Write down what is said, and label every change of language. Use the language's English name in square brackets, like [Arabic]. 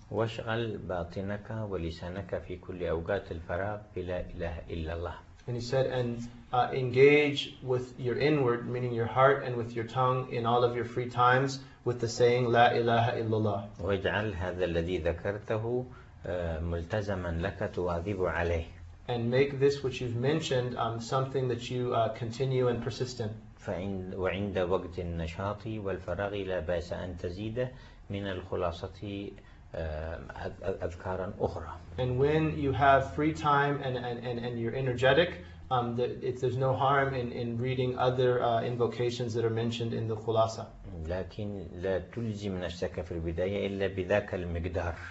[Arabic] واشغل باطنك ولسانك في كل أوقات الفراغ بلا إله إلا الله. [English] And he said, and engage with your inward, meaning your heart, and with your tongue in all of your free times with the saying, La ilaha illallah. [Arabic] واجعل هذا الذي ذكرته ملتزما لك تواظب عليه. [English] And make this which you've mentioned something that you continue and persist in. [Arabic] وعند وقت النشاط والفراغ لا بأس أن تزيد من الخلاصة أذكارا أخرى. [English] And when you have free time and you're energetic, there's no harm in reading other invocations that are mentioned in the Khulasa. [Arabic] لكن لا تلزم نفسك في البداية إلا بذاك المقدار.